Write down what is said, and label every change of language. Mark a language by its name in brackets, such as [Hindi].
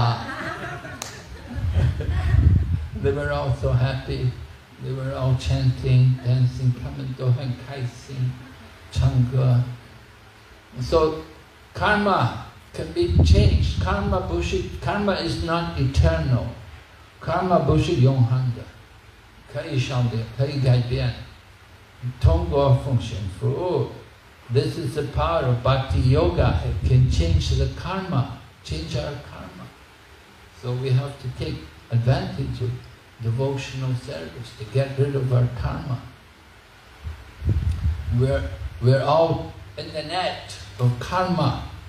[Chinese] 他说：“哦，我感觉到全部你们的业报都消掉了。” [English] They were all so happy. They were all chanting, dancing. [Chinese] 他们都很开心，唱歌。 [English] So, karma can be changed. Karma is not eternal. [Chinese] Karma 不是永恒的，可以消掉，可以改变，通过奉献服务。 [English] This is the power of Bhakti Yoga. It can change the karma, change our karma. So we have to take advantage of devotional service to get rid of our karma. We're all in the net of karma.